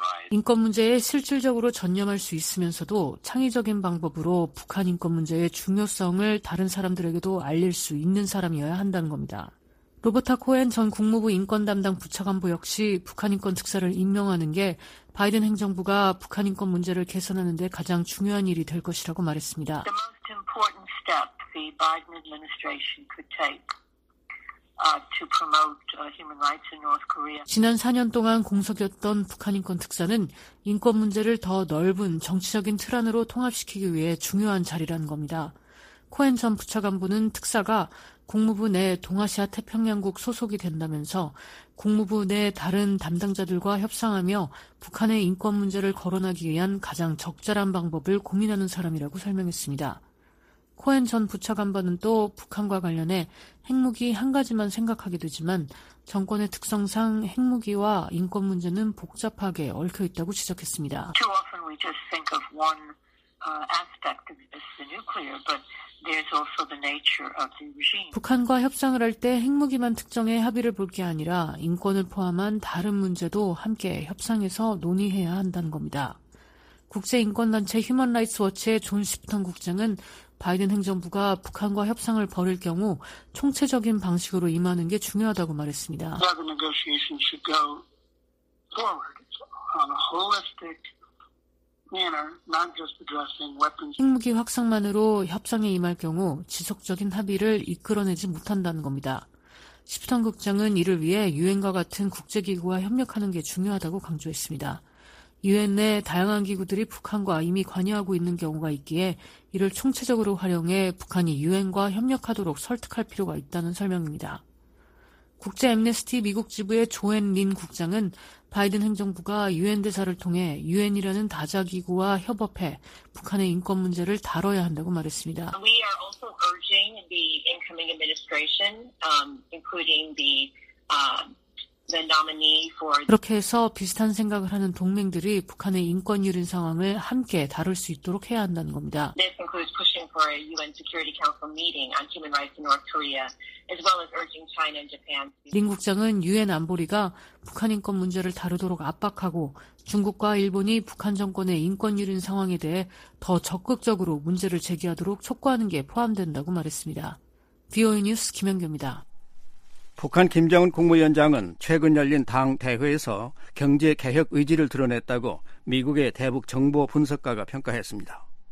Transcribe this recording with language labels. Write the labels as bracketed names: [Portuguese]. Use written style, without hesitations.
[Korean] 인권 문제에 실질적으로 전념할 수 있으면서도 창의적인 방법으로 북한 인권 문제의 중요성을 다른 사람들에게도 알릴 수 있는 사람이어야 한다는 겁니다. 로버타 코엔 전 국무부 인권 담당 부차관보 역시 북한 인권 특사를 임명하는 게 바이든 행정부가 북한 인권 문제를 개선하는 데 가장 중요한 일이 될 것이라고 말했습니다. [English] The most important step the Biden administration could take. To promote human rights in North Korea. [Korean] 지난 4년 동안 공석이었던 북한인권특사는 인권 문제를 더 넓은 정치적인 틀 안으로 통합시키기 위해 중요한 자리라는 겁니다. 코엔 전 부차관보는 특사가 국무부 내 동아시아 태평양국 소속이 된다면서 국무부 내 다른 담당자들과 협상하며 북한의 인권 문제를 거론하기 위한 가장 적절한 방법을 고민하는 사람이라고 설명했습니다. 코엔 전 부차관보는 또 북한과 관련해 핵무기 한 가지만 생각하게 되지만 정권의 특성상 핵무기와 인권 문제는 복잡하게 얽혀있다고 지적했습니다. [English] Too often we just think of one aspect of this, the nuclear, but there's also the nature of the regime. [Korean] 북한과 협상을 할 때 핵무기만 특정해 합의를 볼 게 아니라 인권을 포함한 다른 문제도 함께 협상해서 논의해야 한다는 겁니다. 국제인권단체 휴먼 라이츠 워치의 존 시프턴 국장은 바이든 행정부가 북한과 협상을 벌일 경우 총체적인 방식으로 임하는 게 중요하다고 말했습니다. 핵무기 확산만으로 협상에 임할 경우 지속적인 합의를 이끌어내지 못한다는 겁니다. 시프턴 국장은 이를 위해 유엔과 같은 국제기구와 협력하는 게 중요하다고 강조했습니다. 유엔 내 다양한 기구들이 북한과 이미 관여하고 있는 경우가 있기에 이를 총체적으로 활용해 북한이 유엔과 협력하도록 설득할 필요가 있다는 설명입니다. 국제 앰네스티 미국 지부의 조앤 린 국장은 바이든 행정부가 유엔 대사를 통해 유엔이라는 다자기구와 협업해 북한의 인권 문제를 다뤄야 한다고 말했습니다. [English] We are also urging the incoming administration, including the nominee for... [Korean] 그렇게 해서 비슷한 생각을 하는 동맹들이 북한의 인권 유린 상황을 함께 다룰 수 있도록 해야 한다는 겁니다. [English] This includes pushing for a UN Security Council meeting on human rights in North Korea. As well as urging China and Japan to... [Korean] 린 국장은 유엔 안보리가 북한 인권 문제를 다루도록 압박하고 중국과 일본이 북한 정권의 인권 유린 상황에 대해 더 적극적으로 문제를 제기하도록 촉구하는 게 포함된다고 말했습니다. VOA 뉴스 김연규입니다. 북한 김정은 국무위원장은 최근 열린 당 대회에서 경제 개혁 의지를 드러냈다고 미국의 대북 정보 분석가가 평가했습니다.